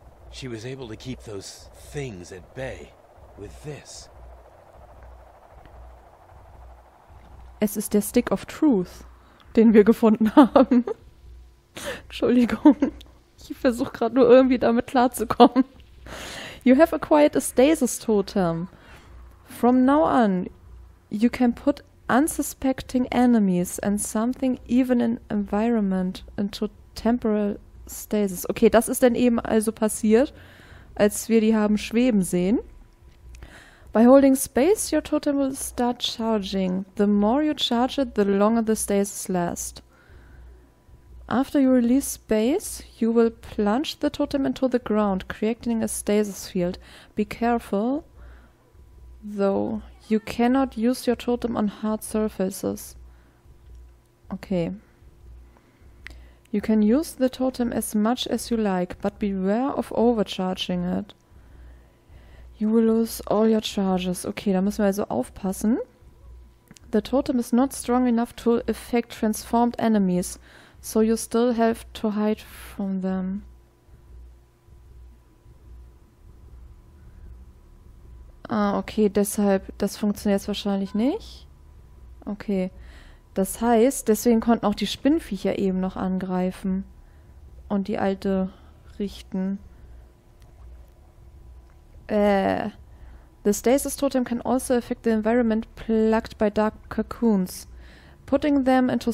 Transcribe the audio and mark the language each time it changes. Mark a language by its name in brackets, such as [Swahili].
[English] She was able to keep those things at bay with this. [German] Es ist der Stick of Truth, den wir gefunden haben. Entschuldigung. Ich versuche gerade nur irgendwie damit klarzukommen. [English] You have acquired a stasis totem. From now on, you can put unsuspecting enemies and something even in environment into temporal stasis. [German] Okay, das ist dann eben also passiert, als wir die haben schweben sehen. [English] By holding space, your totem will start charging. The more you charge it, the longer the stasis lasts. After you release space, you will plunge the totem into the ground, creating a stasis field. Be careful, though. You cannot use your totem on hard surfaces. Okay. You can use the totem as much as you like, but beware of overcharging it. You will lose all your charges. Okay, [German] da müssen wir also aufpassen. [English] The totem is not strong enough to affect transformed enemies, so you still have to hide from them. [German] Ah, okay, deshalb, das funktioniert jetzt wahrscheinlich nicht. Okay, das heißt, deswegen konnten auch die Spinnviecher eben noch angreifen und die Alte richten. [English] The stasis totem can also affect the environment plagued by dark cocoons. Putting them into stasis can sometimes clear your path.